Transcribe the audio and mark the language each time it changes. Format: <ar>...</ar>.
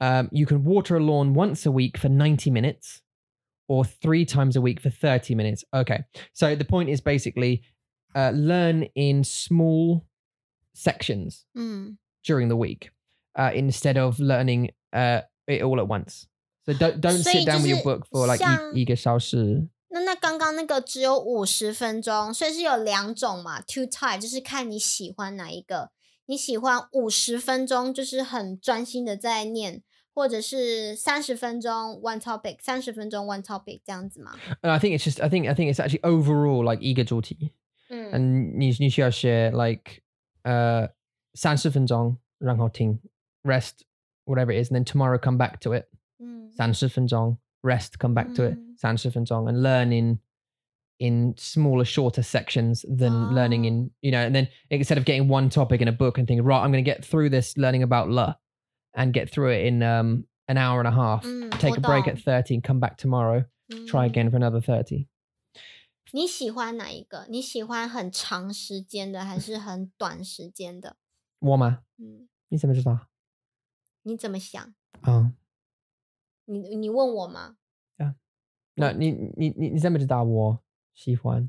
<en>You can water a lawn once a week for 90 minutes or 3 times a week for 30 minutes. Okay. So the point is basically learn in small sections during the week instead of learning it all at once. So don't sit down with your book for like</en> <zh>一个小时. 那刚刚那个只有50分钟,所以是有两种嘛,</zh> <en>two types,</en> <zh>就是看你喜欢哪一个。你喜欢50分钟就是很专心的在念, 或者是30分钟</zh> <en>one topic,</en> <zh>30分钟 one topic 这样子吗？</zh> <en>I think it's just, I think it's actually overall like</en> <zh>一个主题。</zh> <en>And</en> <zh>你需要写</zh> <en>like</en> <zh>30分钟然后听</zh> <en>rest, whatever it is, and then tomorrow come back to it. 30分钟 rest, come back to it, 30分钟 and learning in smaller, shorter sections than learning in, you know, and then instead of getting one topic in a book and thinking, right, I'm going to get through this learning about la. And get through it in an hour and a half. Take a break at 30 and come back tomorrow. Try again for another 30.</en> <zh>你喜欢哪一个？你喜欢很长时间的还是很短时间的？我吗？你怎么知道？你怎么想？你问我吗？ Yeah. 那你怎么知道我喜欢？</zh>